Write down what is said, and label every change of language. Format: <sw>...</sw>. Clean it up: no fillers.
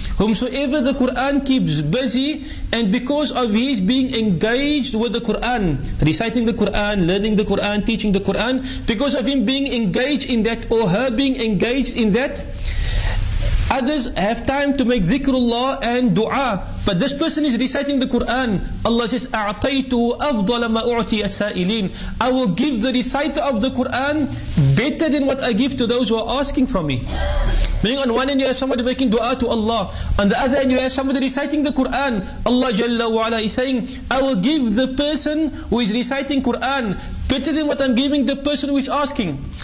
<en>Whomsoever the Quran keeps busy, and because of his being engaged with the Quran, reciting the Quran, learning the Quran, teaching the Quran, because of him being engaged in that, or her being engaged in that, others have time to make dhikrullah and dua, but this person is reciting the Quran. Allah says,</en> <ar>أَعْطَيْتُهُ أَفْضَلَ مَا أُعْتِيَ السَّائِلِينَ.</ar> <en>I will give the reciter of the Quran better than what I give to those who are asking from me. Meaning on one end you have somebody making dua to Allah, on the other end you have somebody reciting the Quran. Allah Jalla wa'ala is saying, I will give the person who is reciting Quran better than what I'm giving the person who is asking.</en>